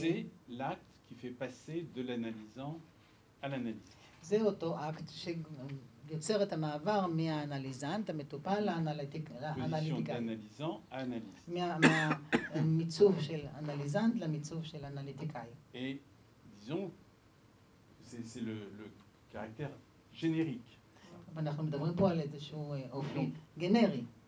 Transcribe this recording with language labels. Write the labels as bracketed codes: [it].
[fr] c'est l'acte qui fait passer de l'analysant à l'analyste. [he] זה אותו אקט שיוצר את המעבר מהאנליזנט, המטופל לאנליטיק, לאנליטיקאי. [fr] position d'analysant à analyste. [he] מהמיצוב של אנליזנט למיצוב של אנליטיקאי. [fr] Et disons, c'est le caractère générique. [he] אנחנו מדברים פה על איזשהו אופי גנרי.